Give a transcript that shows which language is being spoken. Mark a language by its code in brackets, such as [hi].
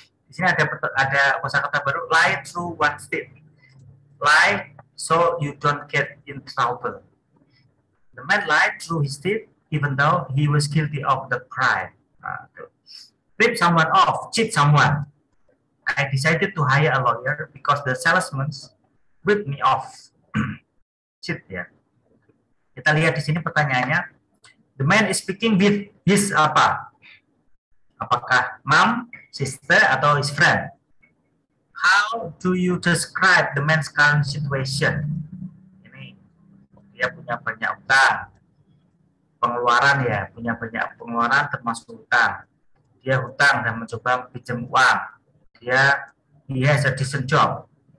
[en] Di sini ada kosakata baru. Lie through one step. Lie so you don't get in trouble. The man lied through his teeth, even though he was guilty of the crime. Rip someone off, cheat someone. I decided to hire a lawyer because the salesman ripped me off. Cheat ya. [id] Kita lihat di sini pertanyaannya. [en] The man is speaking with his apa? Apakah mom, sister, atau his friend? How do you describe the man's current situation? [id] Ini dia punya banyak utang. Pengeluaran ya, punya banyak pengeluaran termasuk utang. Dia utang dan mencoba pinjam uang. He has a decent job.